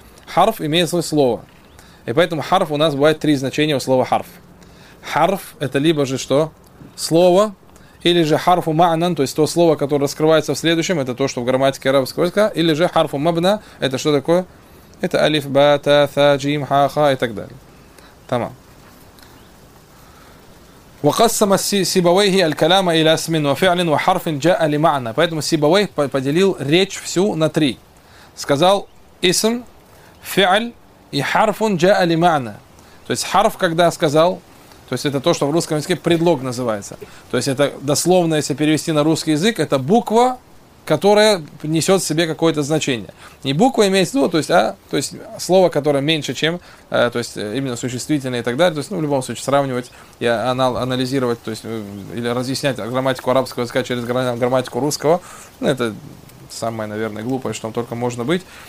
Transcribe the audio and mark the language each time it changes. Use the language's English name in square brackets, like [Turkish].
[Russian] Харф имеет свое слово. И поэтому харф у нас бывает 3 значения у слова харф. Харф – это либо же что? Слово. Или же харфу ма'нан, то есть то слово, которое раскрывается в следующем, это то, что в грамматике арабского языка. Или же харфу мабна – это что такое? Это алиф, ба, та, та, джим, ха, ха и так далее. Тамам. [Arabic] وقسم سيبويه الكلام الى اسم وفعل وحرف جاء لمعنى. [Russian] Поэтому сибавей поделил речь всю на 3. Сказал «исм», فعل и [Arabic] حرفٌ جاء لمعنى. [Russian] То есть حرف, когда сказал, то есть это то, что в русском языке предлог называется. То есть это дословно, если перевести на русский язык, это буква, которая несет в себе какое-то значение. Не буква имеется в виду, то есть слово, которое меньше, чем, то есть именно существительное и так далее. То есть, ну, в любом случае, сравнивать и анализировать, то есть, или разъяснять грамматику арабского языка через грамматику русского, ну, это самое, наверное, глупое, что только можно быть.